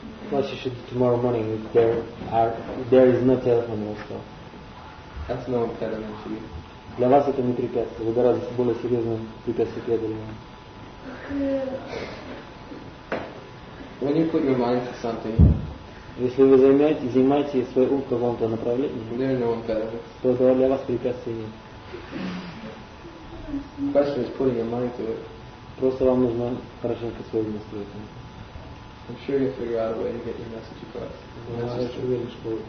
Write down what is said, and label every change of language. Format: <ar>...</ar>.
<en>What you should do tomorrow morning if there are there is no telephone or stuff. That's no impediment to you.</en> <ru>Для вас это не препятствие. Вы гораздо более серьезным препятствием преодолеваете.</ru> <en>When you put your mind to something,</en> <ru>если вы занимаете свой ум в каком-то направлении,</ru> <en>there are no impediments.</en> <ru>То это для вас препятствия нет.</ru> <en>Question is putting your mind to it.</en> <ru>Просто вам нужно хорошенько свой ум настроить.</ru> <en>I'm sure you'll figure out a way to get your message across.</en>